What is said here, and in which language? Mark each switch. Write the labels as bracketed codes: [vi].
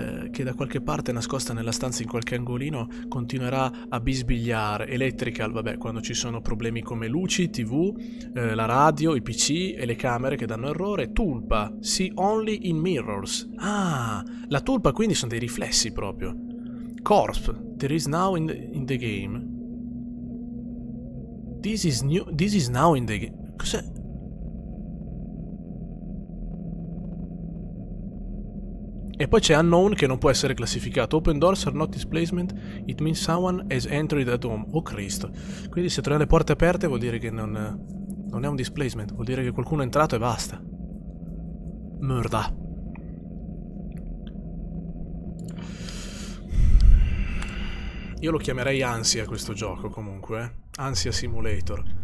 [it] che da qualche parte nascosta nella stanza in qualche angolino continuerà a bisbigliare. Electrical, vabbè, quando ci sono problemi come luci, TV, la radio, i PC e le camere che danno errore. [en] Tulpa, see only in mirrors. [it] Ah, la tulpa quindi sono dei riflessi proprio. [en] Corpse, there is now in the game. This is now in the game. [it] Cos'è? E poi c'è unknown che non può essere classificato. [en] Open doors are not displacement. It means someone has entered at home. [it] Oh Cristo. Quindi se troviamo le porte aperte vuol dire che non è un displacement. Vuol dire che qualcuno è entrato e basta. Merda. Io lo chiamerei ansia questo gioco comunque. Ansia Simulator.